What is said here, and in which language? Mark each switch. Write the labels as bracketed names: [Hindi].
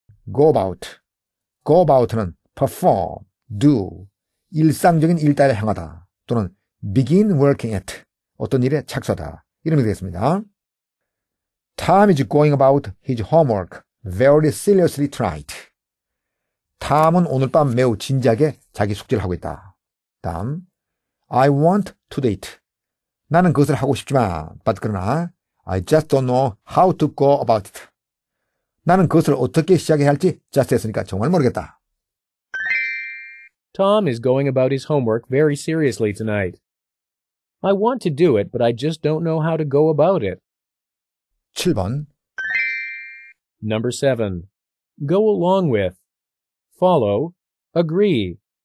[English] Go about. Go about [Korean] 는 [English] perform, do, [Korean] 일상적인 일탈에 향하다, 또는 [English] begin working at, [Korean] 어떤 일에 착수하다, 이런 게 되겠습니다. [English] Tom is going about his homework very seriously tonight. [Korean] Tom은 오늘 밤 매우 진지하게 자기 숙제를 하고 있다. 다음, [English] I want to do it. [Korean] 나는 그것을 하고 싶지만, [English] but [Korean] 그러나, [English] I just don't know how to go about it. [Korean] 나는 그것을 어떻게 시작해야 할지 just 했으니까 정말 모르겠다. [English] Tom is going about his homework very seriously tonight. I want to do it, but I just don't know how to go about it. [Korean] 7번. [English] Number 7. Go along with. Follow. Agree.